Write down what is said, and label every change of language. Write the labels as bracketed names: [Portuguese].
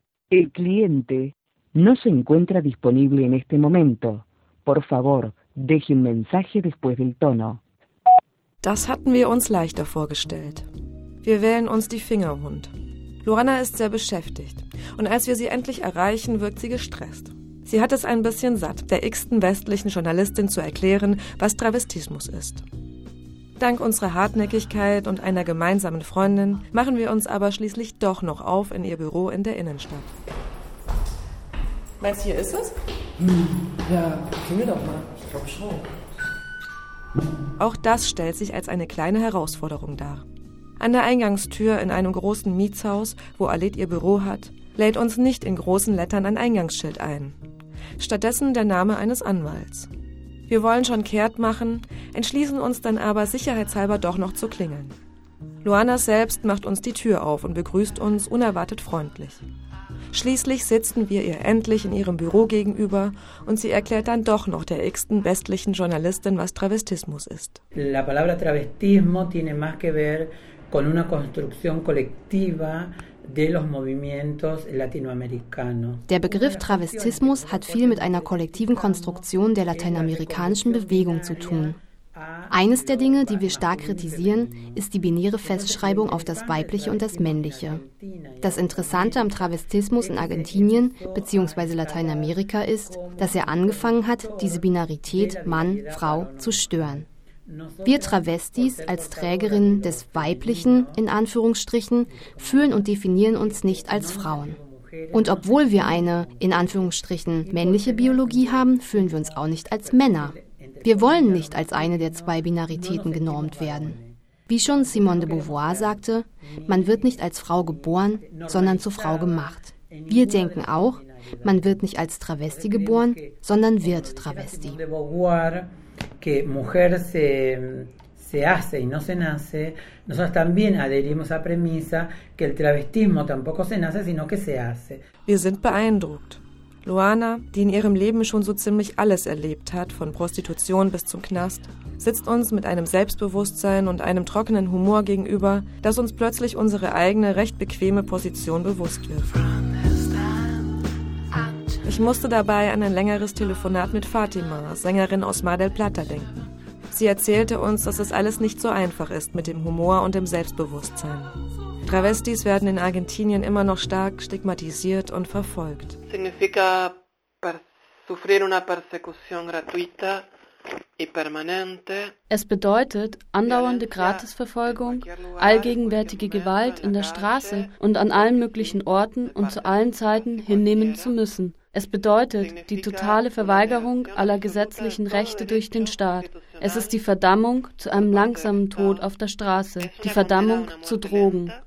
[Spanish] El cliente no se encuentra disponible en este momento. Por favor, deje un mensaje después del tono. [German] Das hatten wir uns leichter vorgestellt. Wir wählen uns die Finger wund. Luana ist sehr beschäftigt und als wir sie endlich erreichen, wirkt sie gestresst. Sie hat es ein bisschen satt, der x-ten westlichen Journalistin zu erklären, was Travestismus ist. Dank unserer Hartnäckigkeit und einer gemeinsamen Freundin machen wir uns aber schließlich doch noch auf in ihr Büro in der Innenstadt. Meinst du, hier ist es? Ja, klingel doch mal. Ich glaube schon. Auch das stellt sich als eine kleine Herausforderung dar. An der Eingangstür in einem großen Mietshaus, wo ALIT ihr Büro hat, lädt uns nicht in großen Lettern ein Eingangsschild ein. Stattdessen der Name eines Anwalts. Wir wollen schon kehrt machen, entschließen uns dann aber sicherheitshalber doch noch zu klingeln. Luana selbst macht uns die Tür auf und begrüßt uns unerwartet freundlich. Schließlich sitzen wir ihr endlich in ihrem Büro gegenüber und sie erklärt dann doch noch der x-ten westlichen Journalistin, was Travestismus ist. [Spanish] La palabra travestismo tiene más que ver con una construcción colectiva de los movimientos latinoamericanos. [German] Der Begriff Travestismus hat viel mit einer kollektiven Konstruktion der lateinamerikanischen Bewegung zu tun. Eines der Dinge, die wir stark kritisieren, ist die binäre Festschreibung auf das Weibliche und das Männliche. Das Interessante am Travestismus in Argentinien bzw. Lateinamerika ist, dass er angefangen hat, diese Binarität Mann-Frau zu stören. Wir Travestis als Trägerinnen des Weiblichen, in Anführungsstrichen, fühlen und definieren uns nicht als Frauen. Und obwohl wir eine, in Anführungsstrichen, männliche Biologie haben, fühlen wir uns auch nicht als Männer. Wir wollen nicht als eine der zwei Binaritäten genormt werden. Wie schon Simone de Beauvoir sagte, man wird nicht als Frau geboren, sondern zur Frau gemacht. Wir denken auch, man wird nicht als Travesti geboren, sondern wird Travesti. [Spanish] Que mujer se hace y no se nace, nosotros también adherimos a premisa que el travestismo tampoco se nace, sino que se hace. [German] Wir sind beeindruckt. Luana, die in ihrem Leben schon so ziemlich alles erlebt hat, von Prostitution bis zum Knast, sitzt uns mit einem Selbstbewusstsein und einem trockenen Humor gegenüber, das uns plötzlich unsere eigene, recht bequeme Position bewusst wird. Ich musste dabei an ein längeres Telefonat mit Fatima, Sängerin aus Mar del Plata, denken. Sie erzählte uns, dass es alles nicht so einfach ist mit dem Humor und dem Selbstbewusstsein. Travestis werden in Argentinien immer noch stark stigmatisiert und verfolgt. [Spanish] Significa sufrir una persecución gratuita y permanente. [German] Es bedeutet andauernde Gratisverfolgung, allgegenwärtige Gewalt in der Straße und an allen möglichen Orten und zu allen Zeiten hinnehmen zu müssen. Es bedeutet die totale Verweigerung aller gesetzlichen Rechte durch den Staat. Es ist die Verdammung zu einem langsamen Tod auf der Straße, die Verdammung zu Drogen.